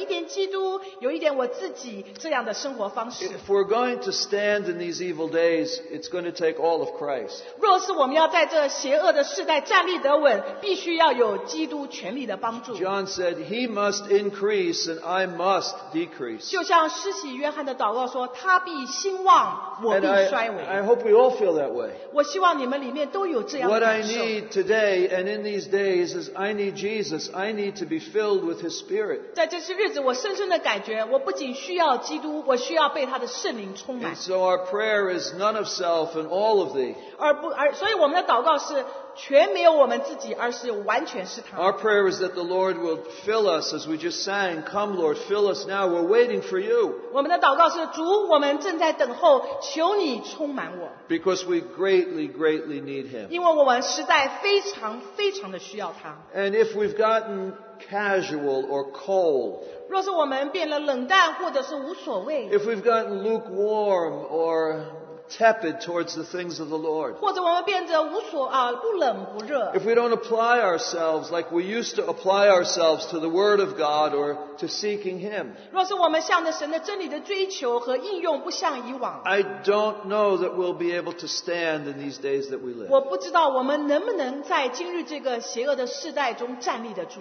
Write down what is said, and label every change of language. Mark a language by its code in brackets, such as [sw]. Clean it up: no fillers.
[zh] 所以我们不能够再那么安逸的，好像说我只要有一点基督，有一点我自己这样的生活方式。 [en] If we're going to stand in these evil days, it's going to take all of Christ. [zh] 若是我们要在这邪恶的世代站立得稳，必须 [en] John said, He must increase and I must decrease. [zh] 就像施洗约翰的祷告说，他必兴旺，我必衰微。 [en] I hope we all feel that way. [zh] 我希望你们里面都有这样的感受。 [en] What I need today and in these days is I need Jesus. I need to be filled with His Spirit. [zh] 在这些日子，我深深的感觉，我不仅需要基督，我需要被他的圣灵充满。 [en] And so our prayer is none of self and all of Thee. [zh] 所以我们的祷告是 [en] Our prayer is that the Lord will fill us as we just sang, Come Lord, fill us now, we're waiting for you. [zh] 我们的祷告是，主，我们正在等候，求你充满我。 [en] Because we greatly, greatly need Him. [zh] 因为我们实在非常非常的需要他。 [en] And if we've gotten casual or cold, [zh] 若是我们变了冷淡或者是无所谓, [en] if we've gotten lukewarm or tepid towards the things of the Lord. If we don't apply ourselves like we used to apply ourselves to the Word of God or to seeking Him. I don't know that we'll be able to stand in these days that we live.